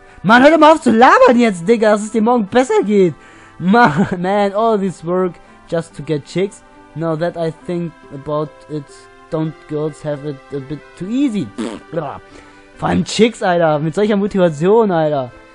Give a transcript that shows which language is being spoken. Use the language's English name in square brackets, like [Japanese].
[German] Mann, hör doch mal auf zu labern jetzt, Digga, dass es dir morgen besser geht. [English] Man, all this work just to get chicks? Now that I think about it, don't girls have it a bit too easy? [German] Vor allem Chicks, Alter, mit solcher Motivation, Alter.